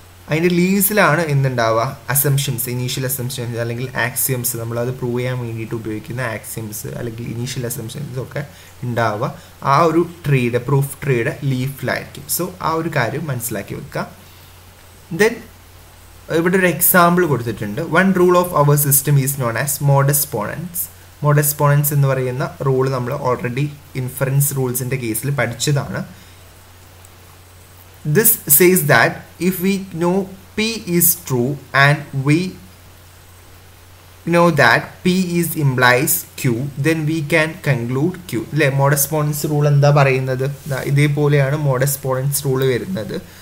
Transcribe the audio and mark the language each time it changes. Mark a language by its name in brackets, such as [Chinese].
[Malayalam] അതിൻ്റെ ലീവ്സിലാണ് എന്തുണ്ടാവുക, assumptions, initial assumptions അല്ലെങ്കിൽ axioms, നമ്മളത് പ്രൂവ് ചെയ്യാൻ വേണ്ടിയിട്ട് ഉപയോഗിക്കുന്ന ആക്സിയംസ് അല്ലെങ്കിൽ ഇനീഷ്യൽ അസംപ്ഷൻസ് ഒക്കെ ഉണ്ടാവുക ആ ഒരു ട്രീയുടെ, പ്രൂഫ് ട്രീയുടെ ലീഫിലായിരിക്കും. സോ ആ ഒരു കാര്യം മനസ്സിലാക്കി വെക്കുക. ദെൻ ഇവിടെ ഒരു എക്സാമ്പിൾ കൊടുത്തിട്ടുണ്ട്. [English] One rule of our system is known as modus ponens. [Malayalam] Modus പോണൻസ് എന്ന് പറയുന്ന റൂൾ നമ്മൾ ഓൾറെഡി ഇൻഫറൻസ് റൂൾസിൻ്റെ കേസിൽ പഠിച്ചതാണ്. [English] This says that if we know P is true and we know that P is implies Q, then we can conclude Q. [Malayalam] ഇല്ല, modus പോണൻസ് rule എന്താ പറയുന്നത്? ഇതേപോലെയാണ് modus പോണൻസ് rule വരുന്നത്.